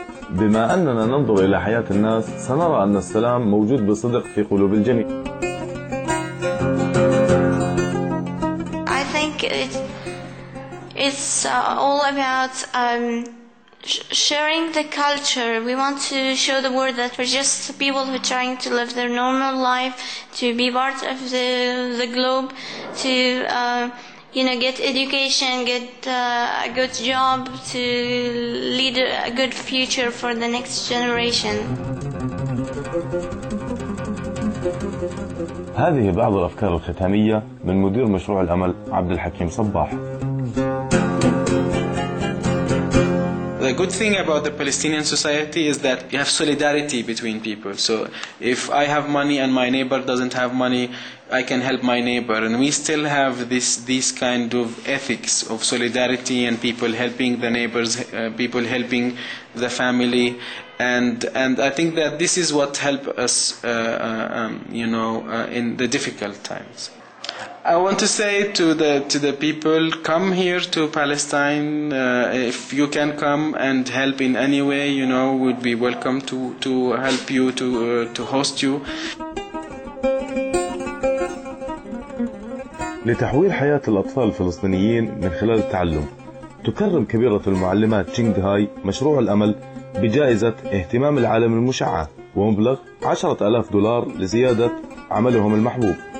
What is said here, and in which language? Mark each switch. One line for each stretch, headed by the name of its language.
Arabic: بما أننا ننظر إلى حياة الناس سنرى أن السلام موجود بصدق في قلوب الجميع.
English: I think it's all about sharing the culture. We want to show the world that we're just people who are trying to live their normal life, to be part of the globe, to you know, get education, get a good job, to lead a good future for the next generation.
Arabic: هذه بعض الأفكار الختامية من مدير مشروع الأمل عبد الحكيم صباح.
English: The good thing about the Palestinian society is that you have solidarity between people. So if I have money and my neighbor doesn't have money, I can help my neighbor. And we still have this kind of ethics of solidarity and people helping the neighbors, people helping the family. And I think that this is what helped us, in the difficult times. I want to say to the people, come here to Palestine. If you can come and help in any way, you know, we'd be welcome to help you, to host you.
Arabic: لتحويل حياة الأطفال الفلسطينيين من خلال التعلم، تكرم كبيرة المعلمات تشينغ دهاي مشروع الأمل بجائزة اهتمام العالم المشعة ومبلغ 10,000 دولار لزيادة عملهم المحبوب.